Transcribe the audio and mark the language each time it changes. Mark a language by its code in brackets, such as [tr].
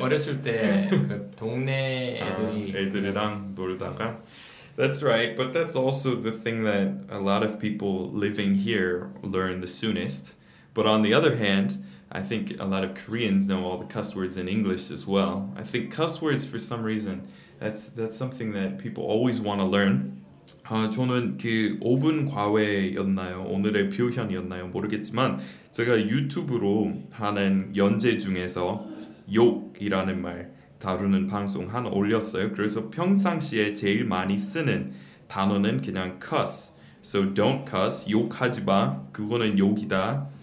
[ko] 어렸을 때 그 동네 애들이 애들이랑 놀다가. [en] That's right, but that's also the thing that a lot of people living here learn the soonest. But on the other hand, I think a lot of Koreans know all the cuss words in English as well. I think cuss words, for some reason, that's something that people always want to learn. [ko] 저는 그 5분 과외였나요? 오늘의 표현이었나요? 모르겠지만 제가 유튜브로 하는 연재 중에서 욕이라는 말 다루는 방송 하나 올렸어요. 그래서 평상시에 제일 많이 쓰는 단어는 그냥 cuss. [en] So don't cuss, [ko] 욕하지 마. 그거는 욕이다.